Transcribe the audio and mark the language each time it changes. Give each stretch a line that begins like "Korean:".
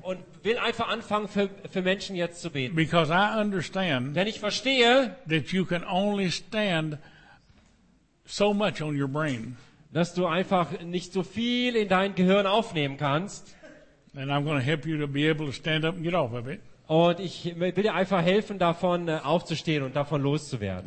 German: Und will einfach anfangen, für Menschen jetzt zu beten.
English: Because I understand.
German: Denn ich verstehe.
English: That you can only stand so much on your brain.
German: Dass du einfach nicht so viel in dein Gehirn aufnehmen kannst.
English: And I'm going to help you to be able to stand up and get off of it.
German: Und ich will dir einfach helfen, davon aufzustehen und davon loszuwerden.